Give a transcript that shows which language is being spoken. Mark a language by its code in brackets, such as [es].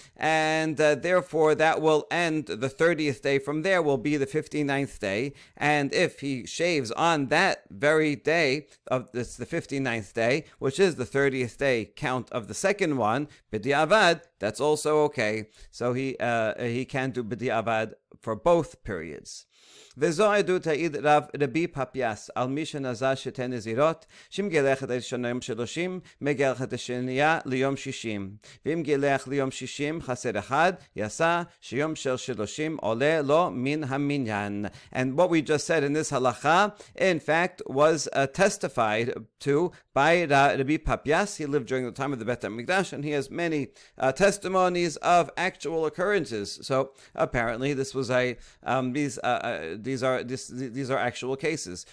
[en] And therefore, that will end the 30th day from there will be the 59th day. And if he shaves on that very day, it's the 59th day, which is the 30th day count of the second one, b'di'avad, that's also okay. So he can do b'di'avad for both periods. [he] וזו עדות העיד רב רבי פפיאס על מי שנזל שתי נזירות שאם גילך את הראשון ליום 30 מגילך את השנייה ליום 60 ואם גילך ליום 60 חסר אחד יעשה שיום של 30 עולה לו מן המניין. [en] And what we just said in this halakha in fact was testified to by Rabbi Papias. He lived during the time of the Beit HaMikdash and he has many testimonies of actual occurrences. So apparently this was these are actual cases.